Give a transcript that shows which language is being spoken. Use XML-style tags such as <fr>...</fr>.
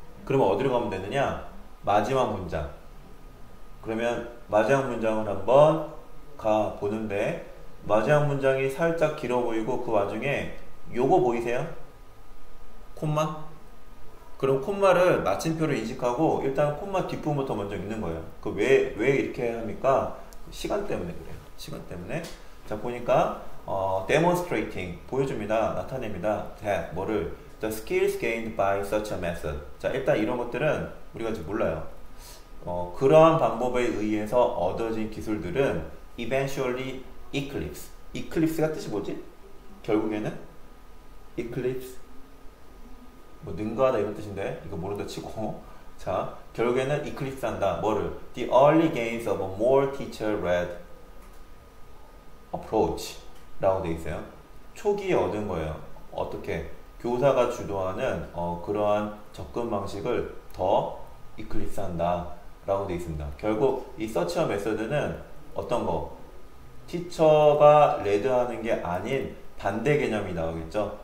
<ko>그러면 어디로 가면 되느냐? 마지막 문장. 그러면 마지막 문장을 한번 가보는데, 마지막 문장이 살짝 길어 보이고, 그 와중에 요거 보이세요? 콤마? 그럼 콤마를 마침표로 인식하고, 일단 콤마 뒷부분부터 먼저 읽는 거예요. 그 왜 이렇게 합니까? 시간 때문에 그래요. 시간 때문에. 자, 보니까, demonstrating, 보여줍니다. 나타냅니다. That, 뭐를?</ko> <en>The skills gained by such a method.</en> <ko>자, 일단 이런 것들은 우리가 지금 몰라요. 그러한 방법에 의해서 얻어진 기술들은</ko> <en>eventually eclipse.</en> <ko>eclipse가 뜻이 뭐지? 결국에는 eclipse. 뭐 능가하다 이런 뜻인데 이거 모른다 치고. 자, 결국에는 eclipse 한다. 뭐를?</ko> <en>The early gains of a more teacher-led approach</en> <ko>라고 돼 있어요. 초기에 얻은 거예요. 어떻게? 교사가 주도하는 그러한 접근 방식을 더 eclipse 한다라고 돼 있습니다. 결국 이 search method는 어떤 거? 티처가 레드하는 게 아닌 반대 개념이 나오겠죠?</ko>